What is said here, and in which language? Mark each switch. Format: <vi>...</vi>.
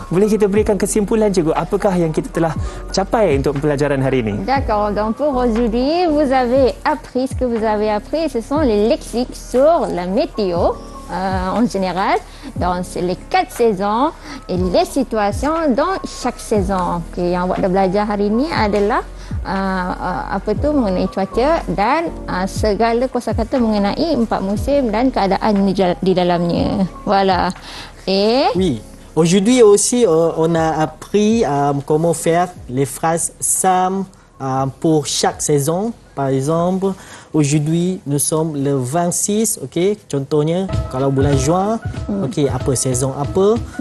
<ms>Boleh kita berikan kesimpulan, Cikgu? Apakah yang kita telah capai untuk pelajaran hari ini?</ms> <fr>D'accord. Donc pour aujourd'hui, vous avez appris ce que vous avez appris. Ce sont les lexiques sur la météo. En général, donc c'est les quatre saisons et les situations dans chaque saison.</fr> <ms>Okay, yang buat belajar hari ini adalah apa tu mengenai cuaca dan segala kosakata mengenai empat musim dan keadaan di dalamnya.</ms> <fr>Voilà. Et oui. Aujourd'hui aussi on a appris comment faire les phrases simples pour chaque saison. Par exemple, aujourd'hui, nous sommes le 26, ok?</fr> <ms>Contohnya, kalau bulan juin, ok, apa saison apa.</ms>